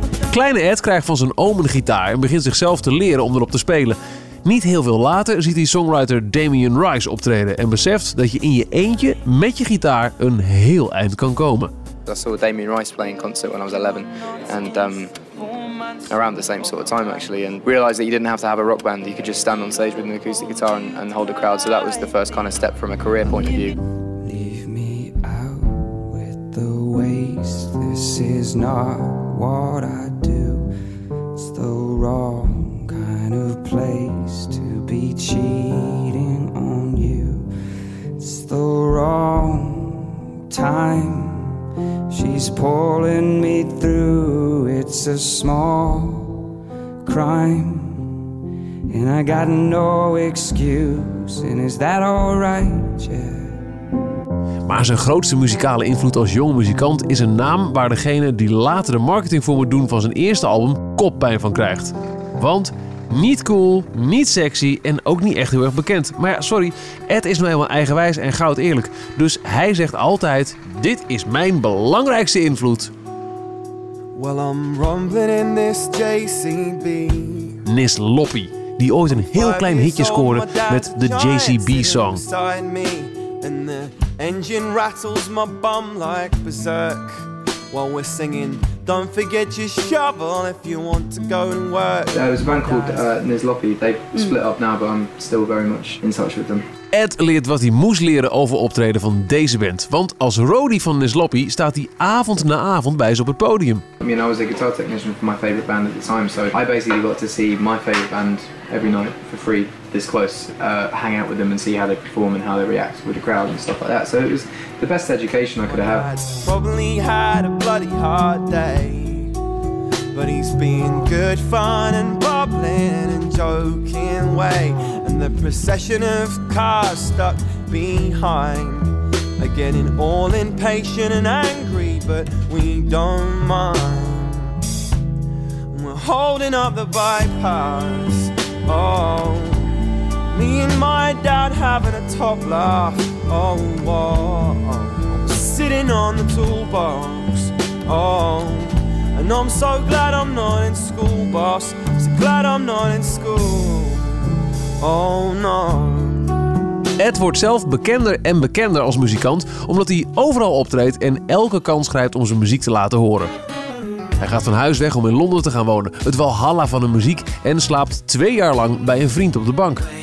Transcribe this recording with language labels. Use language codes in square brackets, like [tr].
[nl] Kleine Ed krijgt van zijn oom een gitaar en begint zichzelf te leren om erop te spelen. Niet heel veel later ziet hij songwriter Damien Rice optreden en beseft dat je in je eentje met je gitaar een heel eind kan komen. [en] I saw Damien Rice play in concert when I was 11, and around the same sort of time actually, and realized that you didn't have to have a rock band, you could just stand on stage with an acoustic guitar and hold a crowd. So that was the first kind of step from a career point of view. Leave me out with the waste, this is not what I do. It's the wrong kind of place to be cheating on you. It's the wrong time. She's pulling me through, it's a small crime, and I got no excuse, and is that alright, yeah. [nl] Maar zijn grootste muzikale invloed als jonge muzikant is een naam waar degene die later de marketing voor moet doen van zijn eerste album koppijn van krijgt. Want niet cool, niet sexy en ook niet echt heel erg bekend. Maar ja, sorry, Ed is nou helemaal eigenwijs en goud eerlijk. Dus hij zegt altijd, dit is mijn belangrijkste invloed. [en] Well, I'm rumbling in this JCB. [nl] Nis Loppy, die ooit een heel klein hitje scoorde met de JCB song. [en] And the engine rattles my bum like berserk. While we're singing, don't forget your shovel if you want to go and work. There was a band called Nis Loppy. They've split up now, but I'm still very much in touch with them. [nl] Ed leert wat hij moest leren over optreden van deze band. Want als roadie van Nis Loppy staat hij avond na avond bij ze op het podium. [en] I mean, I was a guitar technician for my favorite band at the time, so I basically got to see my favorite band every night for free, this close, hang out with them and see how they perform and how they react with the crowd and stuff like that. So it was the best education I could have. Probably had a bloody hard day, but he's been good fun and bubbling and joking way. And the procession of cars stuck behind, getting all impatient and angry, but we don't mind. We're holding up the bypass. Oh, me and my dad having a top laugh. Oh, whoa. Sitting on the toolbox. Oh, and I'm so glad I'm not in school, boss. So glad I'm not in school. Oh, no. [nl] Ed wordt zelf bekender en bekender als muzikant, omdat hij overal optreedt en elke kans grijpt om zijn muziek te laten horen. Hij gaat van huis weg om in Londen te gaan wonen, het Walhalla van de muziek, en slaapt 2 jaar lang bij een vriend op de bank.